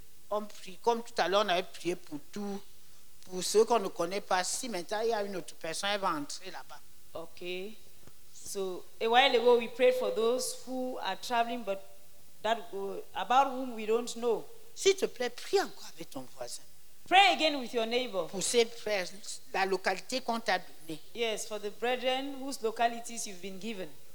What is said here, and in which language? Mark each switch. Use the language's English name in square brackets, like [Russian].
[French] On prie, comme tout à l'heure, on avait prié pour tout, pour ceux qu'on ne connaît pas. Si maintenant il y a une autre personne, elle va entrer là-bas. Ok. [English] So, a while ago, we prayed for those who are traveling, but that about whom we don't know. [French] S'il te plaît, prie encore avec ton voisin. [English] Pray again with your neighbor. [French] Pour ces frères, la localité qu'on t'a donnée. [English] Yes, for the brethren whose localities you've been given.